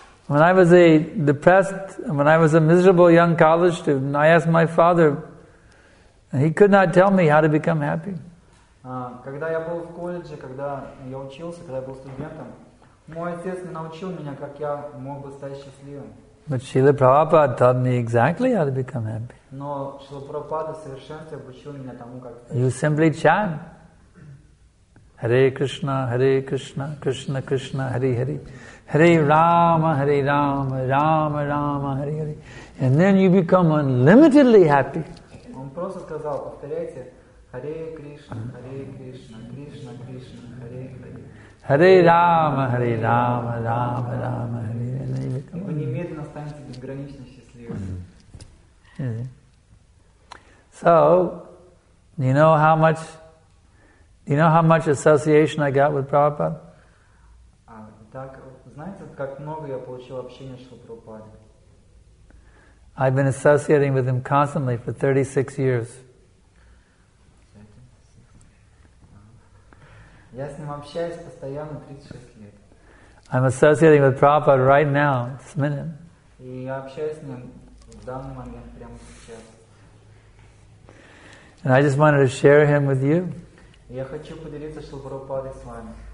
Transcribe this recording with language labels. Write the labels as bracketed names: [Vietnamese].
[English] When I was a depressed, when I was a miserable young college student, I asked my father, and he could not tell me how to become happy. [Russian] Когда я был в колледже, когда я учился, когда я был студентом, мой отец не научил меня, как я мог бы стать счастливым. [English] But Srila Prabhupada taught me exactly how to become happy. [Russian] Но Шрила Прабхупада совершенно обучил меня тому, как. [English] You simply chant. [Sanskrit] Hare Krishna, Krishna Krishna, Hare Hare. Hare Rama, Rama Rama, Hare Hare. [English] And then you become unlimitedly happy. [Russian] Он просто сказал, повторяйте, [Sanskrit] Hare Krishna, Krishna Krishna, Hare Hare. Hare Rama, Rama Rama, Hare Hare. [Russian] И вы немедленно станете безгранично счастливыми. [English] So, do you know how much association I got with Prabhupada? [Russian] Так, знаете, как много я получил общения с Прабхупадой? [English] I've been associating with him constantly for 36 years. [Russian] Я с ним общаюсь постоянно 36 лет. [English] I'm associating with Prabhupada right now, this minute. [Russian] И я общаюсь с ним в данный момент, прямо сейчас. [English] And I just wanted to share him with you. [Russian] Я хочу поделиться с Прабхупадой с вами.